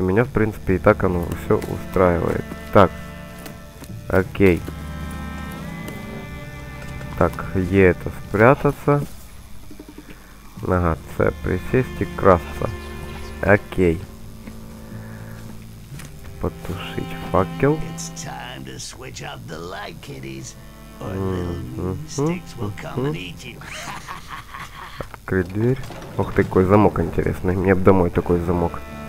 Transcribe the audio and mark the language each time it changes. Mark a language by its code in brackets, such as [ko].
[ru] Меня, в принципе, и так оно все устраивает. Так. Окей. Так, Е это спрятаться. Ага, С присесть и красться. Окей. Потушить факел. [en] It's time to switch out the light, kiddies, or [ru] открыть дверь. Ох ты, какой замок интересный. Мне бы домой такой замок.